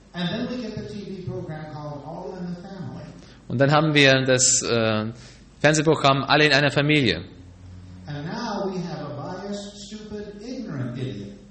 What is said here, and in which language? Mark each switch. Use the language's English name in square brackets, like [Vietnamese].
[English] And then we get the TV program called All in the Family. [German] Und dann haben wir das Fernsehprogramm Alle in einer Familie. [English] And now we have a biased, stupid, ignorant idiot.